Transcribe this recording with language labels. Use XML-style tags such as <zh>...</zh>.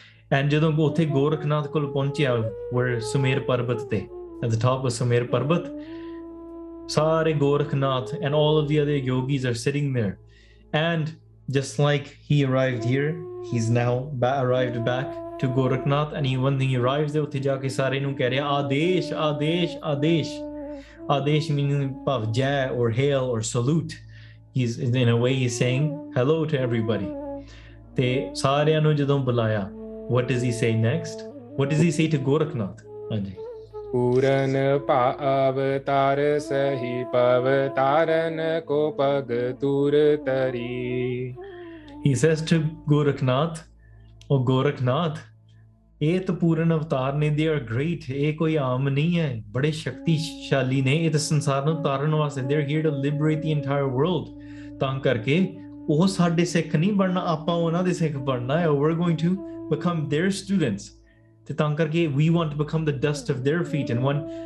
<en>And</en> <pa>jadon othe Gorakhnath kol pahunchya</pa> <en>were Sumer Parbat te at the top of Sumer Parbat sare Gorakhnath and all of the other yogis are sitting there and just like he arrived here he's now arrived back to Gorakhnath and even when he arrives there</en> <pa>utthe ja ke sare nu keh reya</pa> <en>aadesh aadesh aadesh aadesh meaning bhav jai or hail or salute he's in a way he's saying hello to everybody</en> <pa>te sareyan nu jadon bulaya</pa> <en>What does he say next? What does he say to Gorakhnath?</en> <bra>पूरन पाव तार सही पाव तारन को पग दूर तरी।</bra> <en>He says to Gorakhnath, oh Gorakhnath,</en> <pa>ਇਹ ਤਾਂ ਪੂਰਨ ਅਵਤਾਰ ਨੇ,</pa> <en>they are great,</en> <pa>ਇਹ ਕੋਈ ਆਮ ਨਹੀਂ ਹੈ, ਬੜੇ ਸ਼ਕਤੀਸ਼ਾਲੀ ਨੇ, ਇਹ ਤਾਂ ਸੰਸਾਰ ਨੂੰ ਤਾਰਨ ਵਾਸਤੇ,</pa> <en>they are here to liberate the entire world,</en> <pa>ਤਾਂ ਕਰਕੇ ਉਹ ਸਾਡੇ ਸਿੱਖ ਨਹੀਂ ਬਣਨਾ, ਆਪਾਂ ਉਹਨਾਂ ਦੇ ਸਿੱਖ ਬਣਨਾ ਹੈ,</pa> <en>we are going to become their students,</en> <pa>ਅਤੇ ਤਾਂ ਕਰਕੇ</pa> <en>we want to become the dust of their feet and one</en>